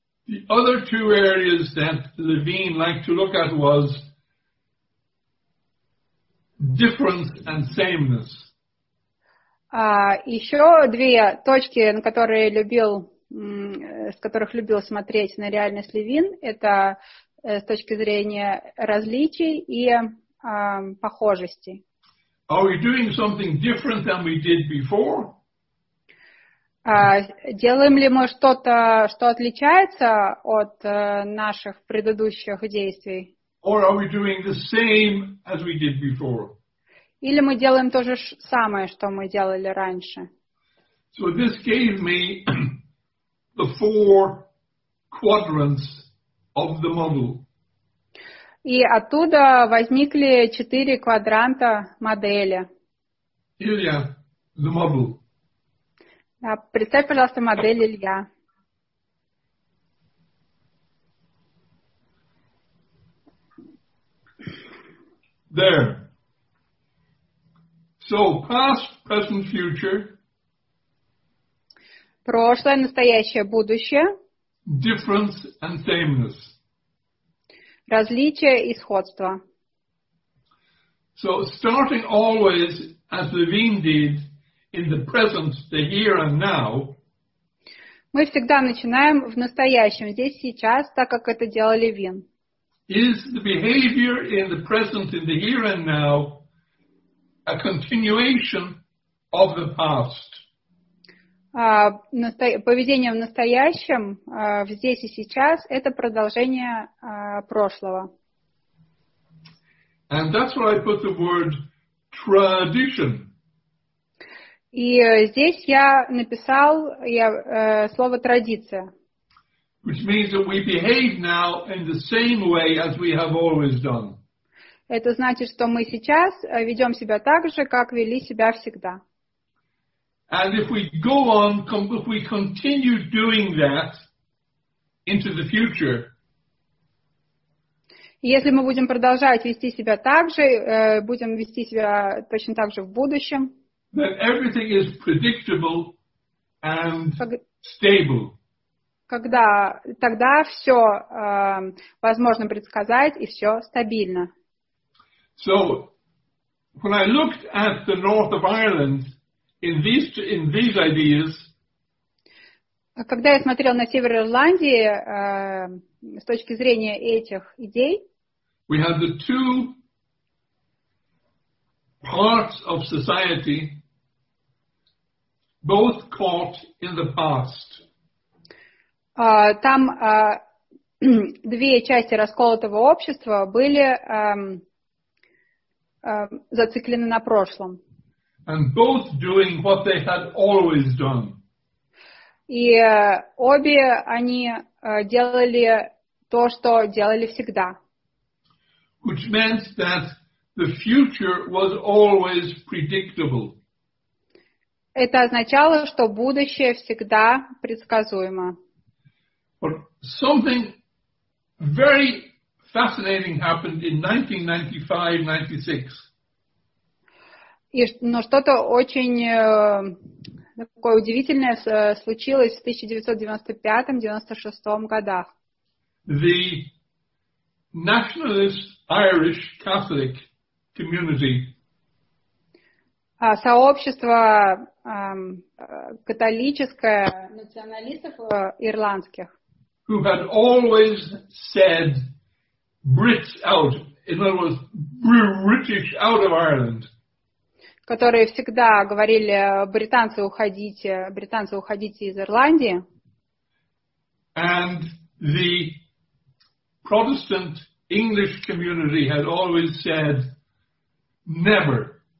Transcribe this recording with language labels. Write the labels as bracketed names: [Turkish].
[English] the other two areas that Levine liked to look at was difference and sameness. [Russian] Еще две точки, на которые любил, с которых любил смотреть на реальность Левин, это с точки зрения различий и похожести. [English] Are we doing something different than we did before? [Russian] Делаем ли мы что-то, что отличается от наших предыдущих действий? [English] Or are we doing the same as we did before? [Russian] Или мы делаем то же самое, что мы делали раньше? [English] So this gave me the four quadrants of the model. [Russian] И оттуда возникли четыре квадранта модели. [English] Илья, the model. [Russian] Да, представь, пожалуйста, модель Илья. [English] There. So, past, present, future. [Russian] Прошлое, настоящее, будущее. [English] Difference and sameness. [Russian] Различия и сходства. [English] So, starting always, as Levine did, in the present, the here and now. [Russian] Мы всегда начинаем в настоящем, здесь, сейчас, так как это делал Левин. [English] Is the behavior in the present, in the here and now, a continuation of the past? [Russian] Поведение в настоящем, здесь и сейчас, это продолжение прошлого. [English] And that's where I put the word tradition. [Russian] И здесь я написал слово традиция. [English] Which means that we behave now in the same way as we have always done. [Russian] Это значит, что мы сейчас ведем себя так же, как вели себя всегда. [English] And if we go on, if we continue doing that into the future, [Russian] если мы будем продолжать вести себя так же, будем вести себя точно так же в будущем, [English] then everything is predictable and stable. [Russian] Когда, тогда все возможно предсказать и все стабильно. [English] So, when I looked at the north of Ireland in these ideas, [Russian] когда я смотрел на север Ирландии с точки зрения этих идей, [English] we had the two parts of society both caught in the past. [Russian] Там две части расколотого общества были зациклены на прошлом. [English] And both doing what they had always done. [Russian] И обе они делали то, что делали всегда. [English] Which meant that the future was always predictable. [Russian] Это означало, что будущее всегда предсказуемо. [English] But something very fascinating happened in 1995-96. [Russian] Но что-то очень такое удивительное случилось в 1995-96 годах. [English] The nationalist Irish Catholic community. [Russian] Сообщество католическое националистов ирландских. [English] Who had always said Brits out, in other words, British out of Ireland. [Russian] Которые всегда говорили: британцы, уходите из Ирландии. [English] And the Protestant English community had always said never.